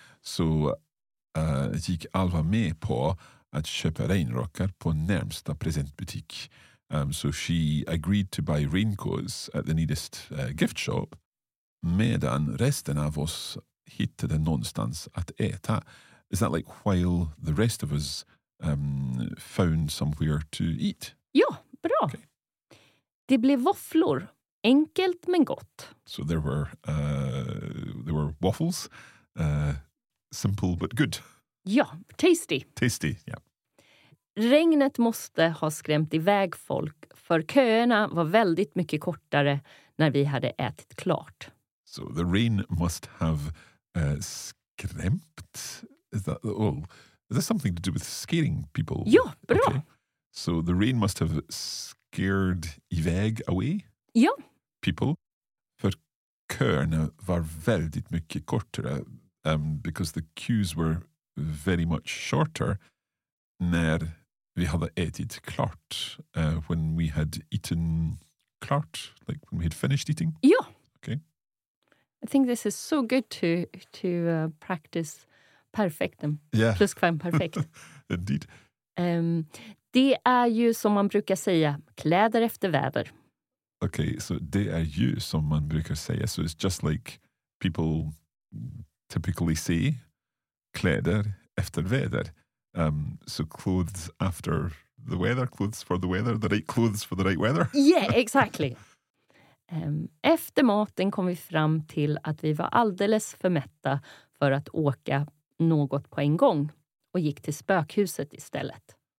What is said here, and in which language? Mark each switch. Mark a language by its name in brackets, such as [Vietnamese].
[Swedish] So, gick Alva med på att köpa regnrockar på närmsta presentbutik. [English] So she agreed to buy raincoats at the nearest gift shop. [Swedish] Medan resten av oss hittade någonstans att äta. [English] Is that like while the rest of us found somewhere to eat? [Swedish] Ja, bra. Okay. Det blev våfflor. Enkelt men gott. [English] So there were waffles. Simple but good. Ja, tasty. Tasty, ja. Yeah. [Swedish] Regnet måste ha skrämt iväg folk, för köerna var väldigt mycket kortare när vi hade ätit klart. [English] So the rain must have Krempt? Is that the old? Is this something to do with scaring people? [Swedish] Ja, bra. Okay. [English] So the rain must have scared iväg away? [Swedish] Ja. [English] People? [Swedish] För köerna var väldigt mycket kortare. [English] Because the queues were very much shorter [Swedish] när vi hade ätit klart. [English] When we had eaten klart, like when we had finished eating? [Swedish] Ja. [English] Okay. I think this is so good to practice perfectum. Yeah. [Swedish] Pluskvamperfekt. [English] Indeed. [Swedish] Det är ju som man brukar säga, kläder efter väder. [English] Okay, so [Swedish] det är ju som man brukar säga. [English] So it's just like people typically say, [Swedish] kläder efter väder. [English] So clothes after the weather, clothes for the weather, the right clothes for the right weather. Yeah, exactly. [Swedish] Efter maten kom vi fram till att vi var alldeles för mätta för att åka något på en gång och gick till spökhuset istället.